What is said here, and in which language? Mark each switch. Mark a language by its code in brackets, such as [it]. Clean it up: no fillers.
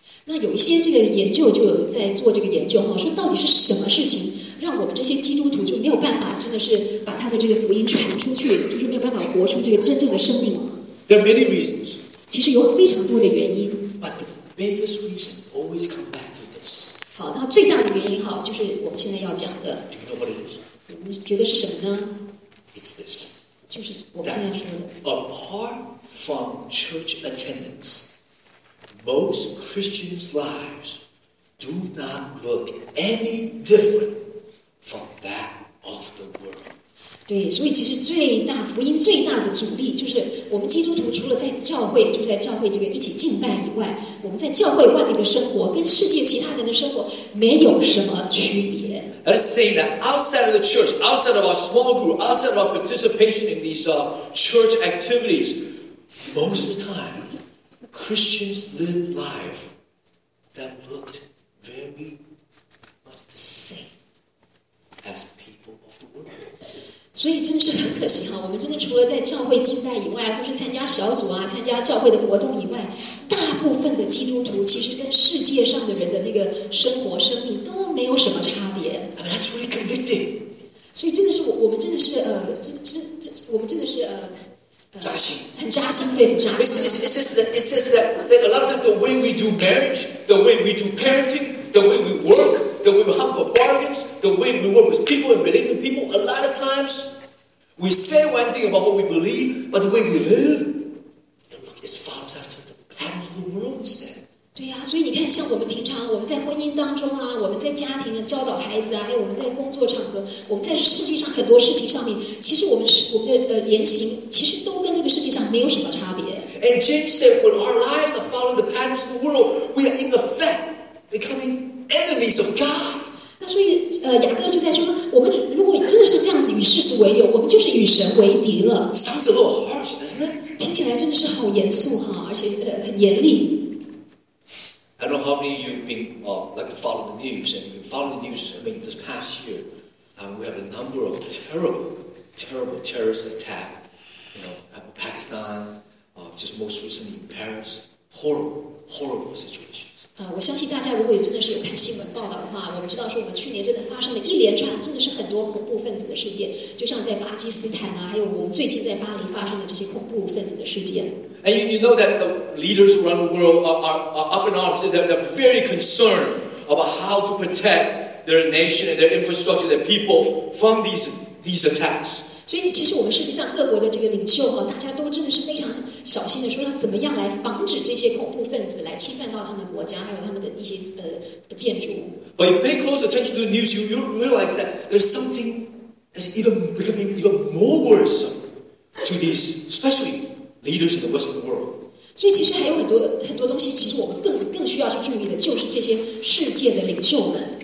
[zh] 那有一些这个研究就在做这个研究哈，说到底是什么事情让我们这些基督徒就没有办法，真的是把他的这个福音传出去，就是没有办法活出这个真正的生命。 [en] There are many reasons. [zh] 其实有非常多的原因。 [en] But the biggest reason always comes back to this. [zh] 好，那最大的原因哈，就是我们现在要讲的。你觉得是什么呢？ [en] It's this. [zh] 就是我们现在说的。 [en] Apart from church attendance, most Christians' lives do not look any different from that of the world. [zh] 对，所以其实最大福音最大的阻力就是我们基督徒除了在教会，就是在教会这个一起敬拜以外，我们在教会外面的生活跟世界其他人的生活没有什么区别。 [en] That is saying that outside of the church, outside of our small group, outside of our participation in these church activities, most of the time, Christians live life that looked very much the same as people of the world. [zh] 所以真的是很可惜哈，我们真的除了在教会敬拜以外，或是参加小组啊，参加教会的活动以外，大部分的基督徒其实跟世界上的人的那个生活、生命都没有什么差别。 [en] That's really convicting. [zh] 所以真的是我们真的是我们真的是扎心，很扎心，对，很扎心。 [en] It says that a lot of times the way we do marriage, the way we do parenting, the way we work, the way we hunt for bargains, the way we work with people and relate to people, a lot of times we say one thing about what we believe, but the way we live, look, it follows after the patterns of the world instead. [zh] 对呀、啊，所以你看，像我们平常我们在婚姻当中啊，我们在家庭的教导孩子啊，还有我们在工作场合，我们在世界上很多事情上面，其实我们的言行，其实都跟这个世界上没有什么差别。 [en] And James said, when our lives are following the patterns of the world, we are in effect becoming enemies of God. [zh] 那所以雅各就在说，我们如果真的是这样子与世俗为友，我们就是与神为敌了。 [en] Sounds a little harsh, doesn't it? [zh] 听起来真的是好严肃哈，而且很严厉。 [en] I don't know how many of you have been following the news, and you've been following the news, I mean, this past year, and we have a number of terrible, terrible terrorist attacks, Pakistan, just most recently in Paris, horrible, horrible situations. [zh] 我相信大家如果真的是有看新闻报道的话，我们知道说我们去年真的发生了一连串真的是很多恐怖分子的事件，就像在巴基斯坦啊，还有我们最近在巴黎发生的这些恐怖分子的事件。 [en] And you know that the leaders around the world are up in arms. They're very concerned about how to protect their nation and their infrastructure, their people from these attacks. [zh] 所以其实我们世界上各国的这个领袖大家都真的是非常小心的说要怎么样来防止这些恐怖分子来侵犯到他们的国家还有他们的一些建筑。 [en] But if you pay close attention to the news, you realize that there's something that's even becoming even more worrisome to these, especially. Leaders in the Western world. [zh] 所以其实还有很多很多东西，其实我们更需要去注意的，就是这些世界的领袖们。